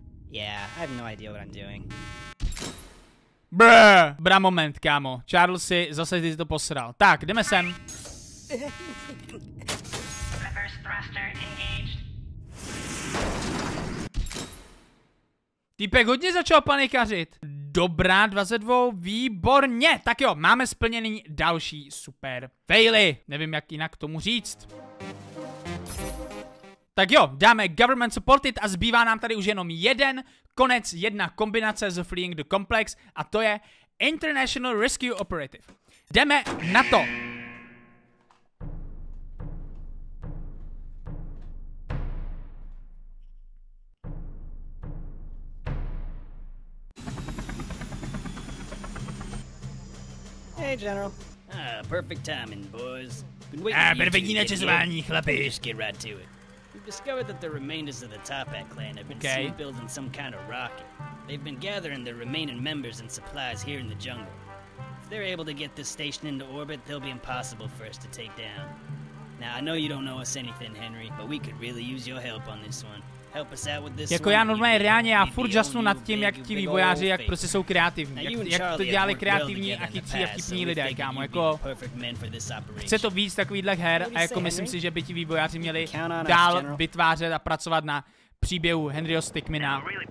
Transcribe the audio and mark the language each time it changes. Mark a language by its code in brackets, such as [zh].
[en] Yeah, I have no idea what I'm doing. [cs] Brr, bra moment, kámo. Charles si zase ty to posral. Tak, jdeme sem. [en] Reverse thruster engaged. [cs] Týpek hodně začal panikařit. Dobrá, 22, výborně. Tak jo, máme splněný další super faily. Nevím, jak jinak tomu říct. Tak jo, dáme government supported a zbývá nám tady už jenom jeden konec, jedna kombinace z Fleeing the Complex a to je International Rescue Operative. Jdeme na to! [en] Hey General. Perfect timing, boys. [cs] Perfect načasování, chlapi. [en] Just get right to it. Discovered that the remainders of the Top Hat clan have been seen building some kind of rocket. They've been gathering the remaining members and supplies here in the jungle. If they're able to get this station into orbit, they'll be impossible for us to take down. Now, I know you don't know us anything, Henry, but we could really use your help on this one. Help us out with this [cs] jako [en] one. [cs] Jako já normálně reálně, já furt žasnu nad tím, jak ti vojáři, jak prostě jsou kreativní. Jak to dělali kreativní a chytří a vtipní lidé, kámo, jako... Chce to víc takovýhle her a jako myslím si, že by ti vývojáři měli dál vytvářet a pracovat na příběhu Henryho Stickmina.